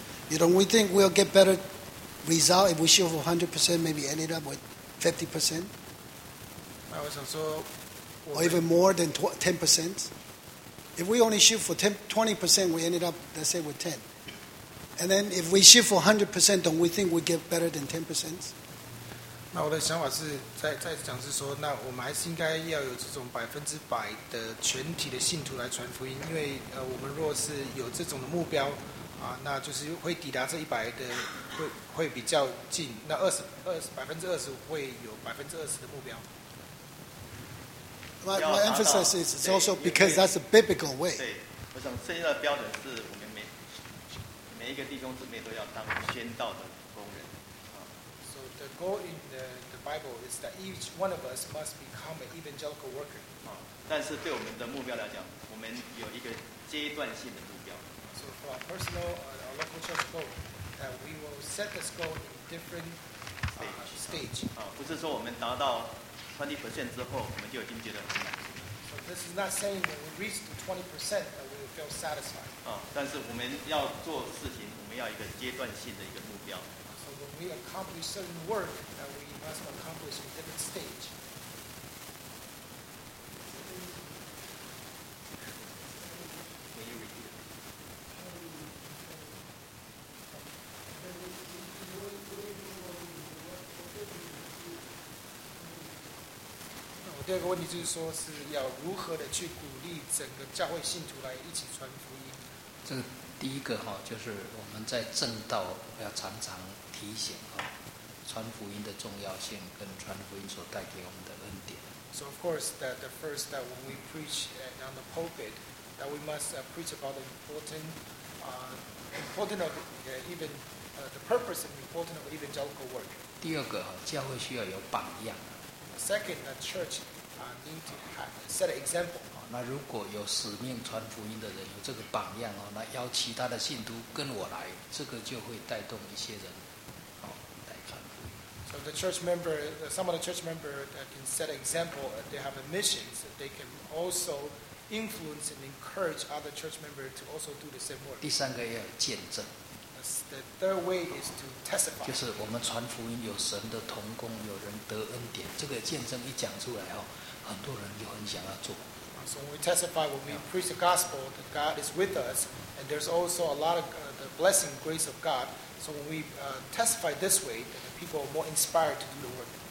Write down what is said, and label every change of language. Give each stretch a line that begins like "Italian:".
English: You know, we think we'll get better result if we shoot for 100%, maybe ended up with 50%? Or even more than 10%? If we only shoot for 20%, we ended up, let's say, with 10. And then if we shoot for 100%, don't we think we get better than 10%?
Chinese: 那我的想法是在讲是说，那我们还是应该要有这种100%的全体的信徒来传福音，因为我们若是有这种的目标啊，那就是会抵达这100的会比较近。那20%会有20%的目标。
English: My emphasis is it's also because that's a biblical way.
Chinese: 对，我想现在的标准是我们每一个弟兄姊妹都要当先道的工人。
English: So the goal in the Bible is that each one of us must become an evangelical worker.
Chinese: 但是对我们的目标来讲，我们有一个阶段性的目标。
English: So for our personal our local church goal, that we will set this goal in different stage.
Chinese: 不是说我们达到20% 之后，我们就已经觉得很满足。
English: So this is not saying that we reach the 20% that we will feel satisfied.
Chinese: 但是我们要做事情，我们要一个阶段性的一个目标。
English: So when we accomplish certain work, that we must accomplish a different stage.
Chinese: 第二个问题就是说，是要如何的去鼓励整个教会信徒来一起传福音？这第一个就是我们在正道要常常提醒传福音的重要性跟传福音所带给我们的恩典。
English: So of course that the first that when we preach on the pulpit, that we must preach about the important of even the purpose and important of evangelical work.
Chinese: 第二个教会需要有榜样。
English: Second, the church need to set an example.
Chinese: 那如果有使命传福音的人有这个榜样那邀其他的信徒跟我来，这个就会带动一些人来传福音。
English: So the church member, some of the church member that can set an example, they have a mission, so they can also influence and encourage other church member to also do the same work.
Chinese: 第三个要见证。
English: The third way is to testify.
Chinese: 就是我们传福音有神的同工，有人得恩典。这个见证一讲出来很多人就很想要做。
English: So when we testify, when we preach the gospel, that God is with us, and there's also a lot of the blessing, grace of God. So when we testify this way, then the people are more inspired to do the work.